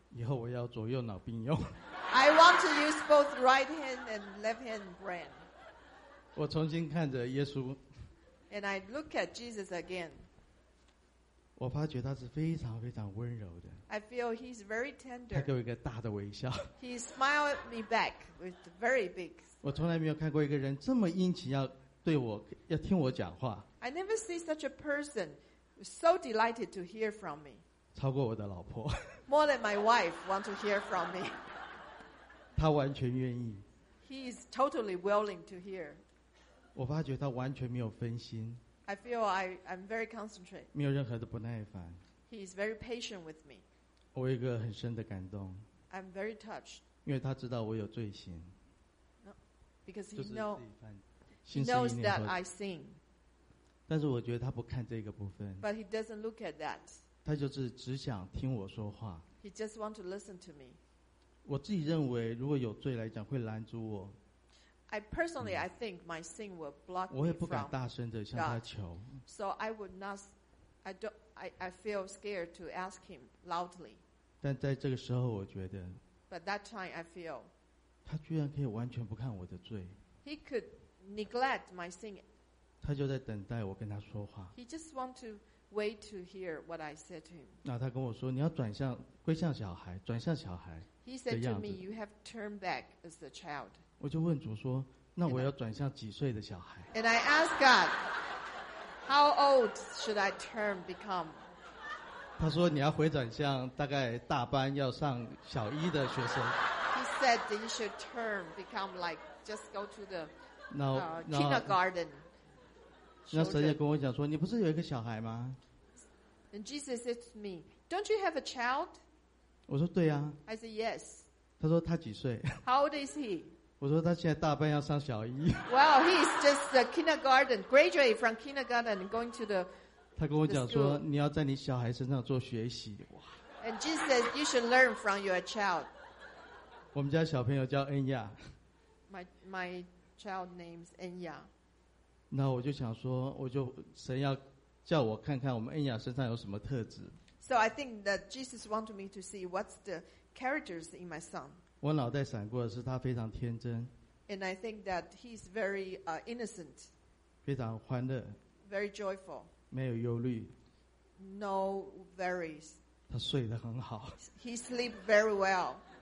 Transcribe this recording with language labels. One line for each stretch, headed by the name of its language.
Chinese: 以后我要左右脑并用
English: I want to use both right hand and left hand brain
Chinese: 我重新看着耶稣
English: And I look at Jesus again
Chinese: 我发觉他是非常非常温柔的
English: I feel he's very tender
Chinese: 他给我一个大的微笑
English: He smiled at me back with very big
Chinese: 我从来没有看过一个人这么殷勤要对我要听我讲话
English: I never see such a person so delighted to hear from me
Chinese: 超过我的老婆
English: More than my wife want to hear from me
Chinese: 他完全愿意
English: He is totally willing to hear
Chinese: 我发觉他完全没有分心
English: I feel I'm very concentrated
Chinese: 没有任何的不耐烦
English: He is very patient with me
Chinese: 我有一个很深的感动
English: I'm very touched
Chinese: 因为他知道我有罪行
English: No, because he knows that I sin.
Chinese: 但是我觉得他不看这个部分。
English: But he doesn't look at that.
Chinese: 他就是只想听我说话。
English: He just want to listen to me.
Chinese: 我自己认为，如果有罪来讲，会拦住我。
English: I personally, I think my sin will block me.
Chinese: 我也不敢大声的向他求。
English: So I would not, I don't, I feel scared to ask him loudly.
Chinese: 但在这个时候，我觉得。
English: But that time, I feel.
Chinese: 他居然可以完全不看我的罪。
English: He could neglect my sin.
Chinese: 他就在等待我跟他说话。
English: He just want to wait to hear what I said to him.
Chinese: 那他跟我说，你要转向，归向小孩，转向小孩。
English: He said to me, "You have turned back as a child."
Chinese: 我就问主说，那我要转向几岁的小孩
English: ？And I asked God, "How old should I turn become?"
Chinese: 他说你要回转向大概大班要上小一的学生。
English: He said you should turn become like just go to the kindergarten.
Chinese: 那神也跟我讲说，你不是有一个小孩吗
English: ？And Jesus said to me, "Don't you have a child?"
Chinese: 我说对啊。
English: I said yes.
Chinese: 他说他几岁
English: ？How old is he?
Chinese: 我说他现在大班要上小一。
English: Well, he's just a kindergarten graduate from kindergarten going to the.
Chinese: 他跟我讲说，你要在你小孩身上做学习。
English: And Jesus says you should learn from your child.
Chinese: 我们家小朋友叫恩雅。
English: My child name's Enya.
Chinese: 那我就想说，我就神要叫我看看我们恩雅身上有什么特质。
English: So I think that Jesus wanted me to see what's the characters in my son.
Chinese: 我脑袋闪过的是他非常天真。
English: And I think that he's very innocent.
Chinese: 非常欢乐。
English: Very joyful.
Chinese: 没有忧虑。
English: No worries.
Chinese: 他睡得很好。
English: He sleep very well.